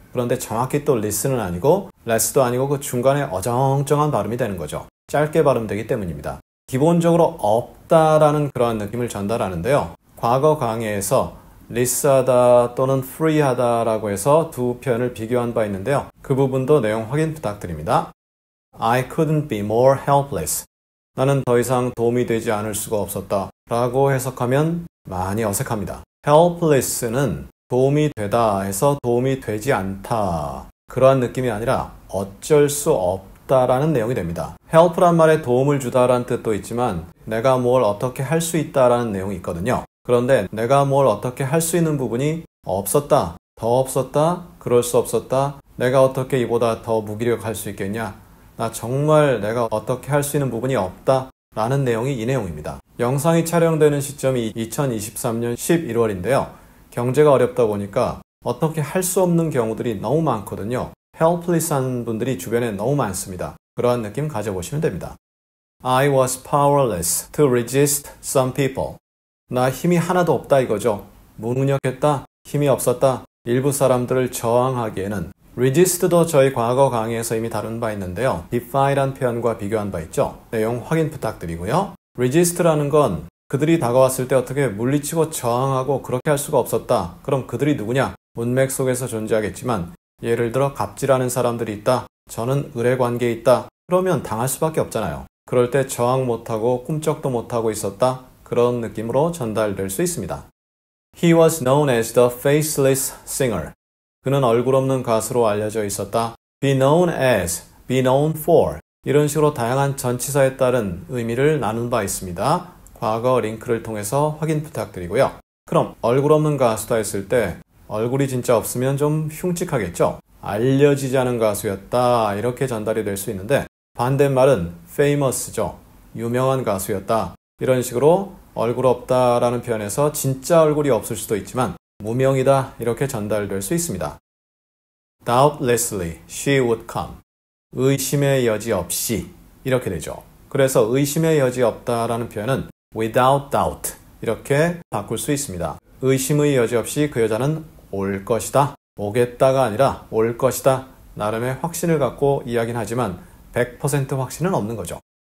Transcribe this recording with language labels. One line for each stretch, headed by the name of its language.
Korean: 그런데 정확히 또 리스는 아니고 레스도 아니고 그 중간에 어정쩡한 발음이 되는 거죠. 짧게 발음되기 때문입니다. 기본적으로 없다라는 그러한 느낌을 전달하는데요. 과거 강의에서 리스하다 또는 프리하다라고 해서 두 표현을 비교한 바 있는데요. 그 부분도 내용 확인 부탁드립니다.
English: I couldn't be more helpless.
Korean: 나는 더 이상 도움이 되지 않을 수가 없었다 라고 해석하면 많이 어색합니다. Helpless는 도움이 되다 해서 도움이 되지 않다 그러한 느낌이 아니라 어쩔 수 없다 라는 내용이 됩니다. Help란 말에 도움을 주다 라는 뜻도 있지만 내가 뭘 어떻게 할 수 있다 라는 내용이 있거든요. 그런데 내가 뭘 어떻게 할 수 있는 부분이 없었다, 더 없었다, 그럴 수 없었다, 내가 어떻게 이보다 더 무기력할 수 있겠냐, 나 정말 내가 어떻게 할 수 있는 부분이 없다 라는 내용이 이 내용입니다. 영상이 촬영되는 시점이 2023년 11월인데요. 경제가 어렵다 보니까 어떻게 할 수 없는 경우들이 너무 많거든요. Helpless한 분들이 주변에 너무 많습니다. 그러한 느낌 가져보시면 됩니다.
English: I was powerless to resist some people.
Korean: 나 힘이 하나도 없다 이거죠. 무능력했다, 힘이 없었다, 일부 사람들을 저항하기에는. Resist도 저희 과거 강의에서 이미 다룬 바 있는데요. Defy란 표현과 비교한 바 있죠. 내용 확인 부탁드리고요. Resist라는 건 그들이 다가왔을 때 어떻게 물리치고 저항하고 그렇게 할 수가 없었다. 그럼 그들이 누구냐? 문맥 속에서 존재하겠지만 예를 들어 갑질하는 사람들이 있다. 저는 의뢰관계에 있다. 그러면 당할 수밖에 없잖아요. 그럴 때 저항 못하고 꿈쩍도 못하고 있었다. 그런 느낌으로 전달될 수 있습니다.
English: He was known as the faceless singer.
Korean: 그는 얼굴 없는 가수로 알려져 있었다.
English: Be known as, be known for.
Korean: 이런 식으로 다양한 전치사에 따른 의미를 나눈 바 있습니다. 과거 링크를 통해서 확인 부탁드리고요. 그럼 얼굴 없는 가수다 했을 때 얼굴이 진짜 없으면 좀 흉측하겠죠? 알려지지 않은 가수였다 이렇게 전달이 될 수 있는데 반대말은 famous죠. 유명한 가수였다. 이런 식으로 얼굴 없다라는 표현에서 진짜 얼굴이 없을 수도 있지만 무명이다 이렇게 전달될 수 있습니다.
English: Doubtlessly she would come.
Korean: 의심의 여지 없이 이렇게 되죠. 그래서 의심의 여지 없다라는 표현은
English: without doubt
Korean: 이렇게 바꿀 수 있습니다. 의심의 여지 없이 그 여자는 올 것이다. 오겠다가 아니라 올 것이다. 나름의 확신을 갖고 이야기는 하지만 100% 확신은 없는 거죠.